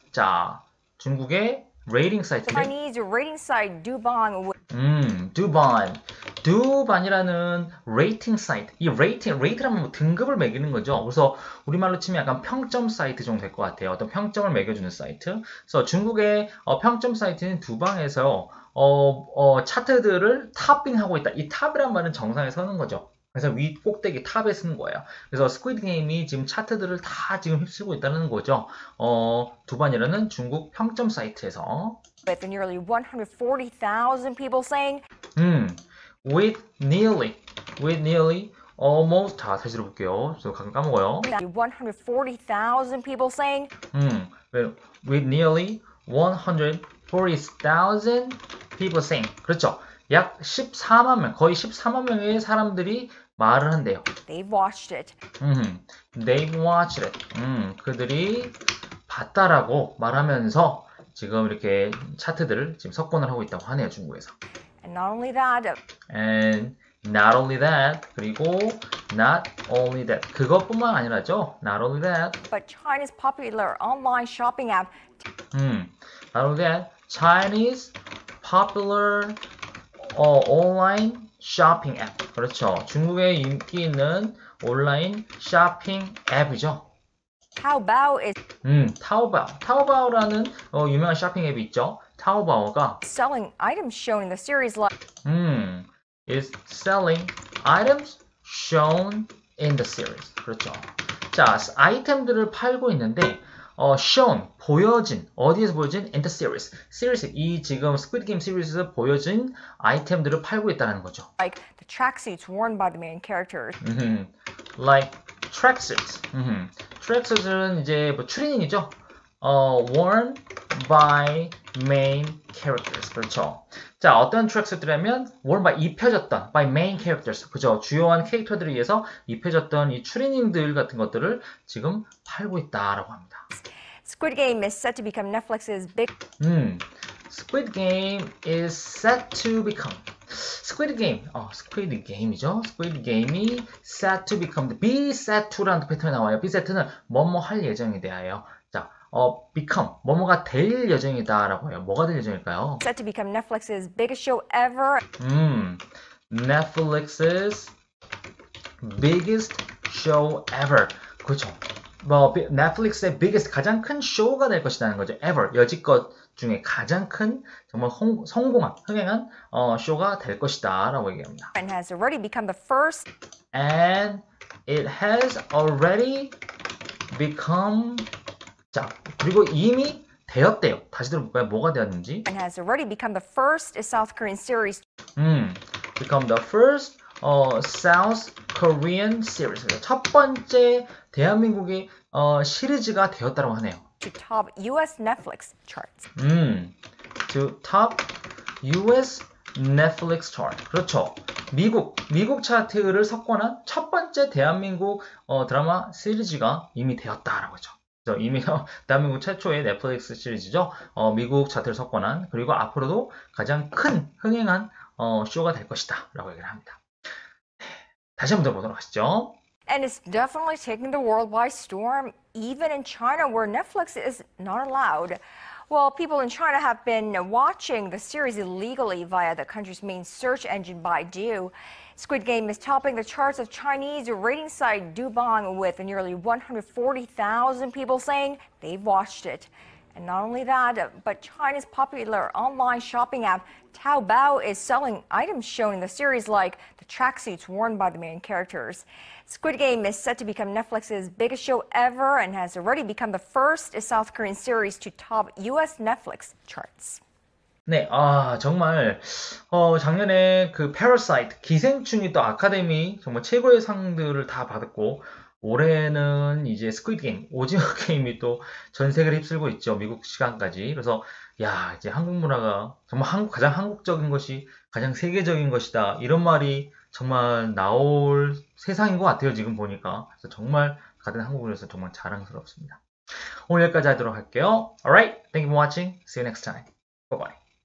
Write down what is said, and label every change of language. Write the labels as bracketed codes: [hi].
[ko] 자, 중국의 rating site인데. [en] Chinese rating site Dubong. [ko] 두반. 두반이라는 rating site. 이 rating, rate라면 뭐 등급을 매기는 거죠. 그래서 우리말로 치면 약간 평점 사이트 정도 될것 같아요. 어떤 평점을 매겨주는 사이트. 그래서 중국의 평점 사이트인 두반에서 차트들을 탑핑하고 있다. 이 탑이란 말은 정상에 서는 거죠. 그래서 위 꼭대기 탑에 쓰는 거예요. 그래서 스퀴드 게임이 지금 차트들을 다 지금 휩쓸고 있다는 거죠. 두반이라는 중국 평점 사이트에서. [en] With nearly 140,000 people saying, With nearly, almost. [ko] 자, 다시 들어볼게요. 저도 가끔 까먹어요. [en] nearly 140,000 people saying, With nearly 140,000 people saying. [ko] 그렇죠. 약 14만 명, 거의 14만 명의 사람들이 말을 한대요. [en] they've watched it. They've watched it. [ko] 그들이 봤다라고 말하면서 지금 이렇게 차트들을 지금 석권을 하고 있다고 하네요, 중국에서. [en] And not only that. And not only that, [ko] 그리고 [en] not only that. [ko] 그것뿐만 아니라죠. [en] Not only that. But China's popular online shopping app. Not only that. Chinese popular online shopping app. [ko] 그렇죠. 중국에 인기 있는 온라인 쇼핑 앱이죠. [en] 타오바오 is [ko] 타오바오라는 유명한 쇼핑 앱이 있죠. 타오바오가 [en] selling items shown in the series like is selling items shown in the series. [ko] 그렇죠. 자, 아이템들을 팔고 있는데 [en] shown [ko] 보여진 어디에서 보여진? [en] In the series. [ko] series 이 지금 스퀴드 게임 시리즈에서 보여진 아이템들을 팔고 있다는 거죠. [en] like the tracksuits worn by the main characters. Like tracksuits. [ko] Tracksuits은 이제 뭐 추리닝이죠. [en] Worn by main characters. [ko] 그렇죠. 자, 어떤 tracksuit라면 [en] worn by [ko] 입혀졌던 [en] by main characters. [ko] 그죠? 주요한 캐릭터들에 의해서 입혀졌던 이 추리닝들 같은 것들을 지금 팔고 있다라고 합니다. [en] Squid Game is set to become Netflix's big. Squid Game is set to become. Squid Game. [ko] Squid Game이죠. [en] Squid Game이 set to become. Be set to [ko] 라는 패턴이 나와요. Be set는 뭐뭐 할 예정에 대하여. 자, become. 뭐뭐가 될 예정이다라고 해요. 뭐가 될 예정일까요? [en] Set to become Netflix's biggest show ever. Netflix's biggest show ever. [ko] 그렇죠. 뭐 넷플릭스의 [en] biggest [ko] 가장 큰 쇼가 될 것이라는 거죠. [en] ever [ko] 여지껏 중에 가장 큰 정말 성공한 흥행한 쇼가 될 것이다라고 얘기합니다. [en] And has already become the first. And it has already become [ko] 자 그리고 이미 되었대요. 다시 들어볼까요? 뭐가 되었는지. [en] And has already become the first South Korean series. become the first South Korean series. [ko] 첫 번째 대한민국의 시리즈가 되었다고 하네요. [en] To top US Netflix charts. To top US Netflix chart. [ko] 그렇죠. 미국 차트를 석권한 첫 번째 대한민국 드라마 시리즈가 이미 되었다라고 하죠. 이미 대한민국 최초의 넷플릭스 시리즈죠. 미국 차트를 석권한 그리고 앞으로도 가장 큰 흥행한 쇼가 될 것이다라고 얘기를 합니다. 다시 한번 들어보도록 하시죠. [en] And it's definitely taking the world by storm, even in China, where Netflix is not allowed. Well, people in China have been watching the series illegally via the country's main search engine, Baidu. Squid Game is topping the charts of Chinese rating site Dubong, with nearly 140,000 people saying they've watched it. And not only that, but China's popular online shopping app Taobao is selling items shown in the series, like the tracksuits worn by the main characters. Squid Game is set to become Netflix's biggest show ever and has already become the first South Korean series to top US Netflix charts. [ko] 네, 정말 작년에 그 Parasite 기생충이 또 아카데미 정말 최고의 상들을 다 받았고 올해는 이제 스퀴드 게임 오징어 게임이 또전 세계를 휩쓸고 있죠. 미국 시간까지. 그래서 야, 이제 한국 문화가 정말 가장 한국적인 것이 가장 세계적인 것이다. 이런 말이 정말 나올 세상인 것 같아요. 지금 보니까. 그래서 정말 같은 한국인으로서 정말 자랑스럽습니다. 오늘 여기까지 하도록 할게요. [en] Alright, thank you for watching. See you next time. Bye bye.